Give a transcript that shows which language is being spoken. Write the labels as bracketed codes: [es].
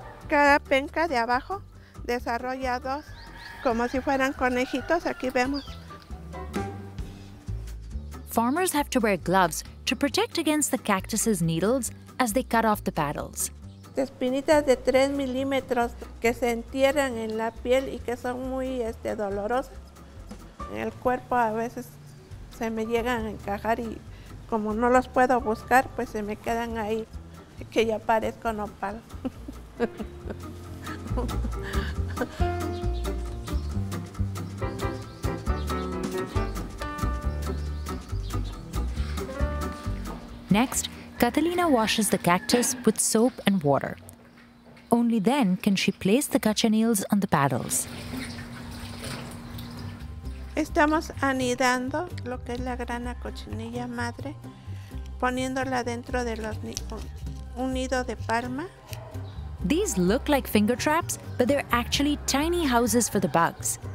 [es] Cada penca de abajo desarrolla dos, como si fueran conejitos, aquí vemos. [en] Farmers have to wear gloves to protect against the cactus's needles as they cut off the paddles. [es] Espinitas de 3 milímetros que se entierran en la piel y que son muy dolorosas. En el cuerpo a veces se me llegan a encajar y como no los puedo buscar, pues se me quedan ahí, que ya parezco nopal. [en] Next, Catalina washes the cactus with soap and water. Only then can she place the cochineals on the paddles. [es] Estamos anidando lo que es la grana cochinilla madre, poniéndola dentro de los un nido de palma. [en] These look like finger traps, but they're actually tiny houses for the bugs.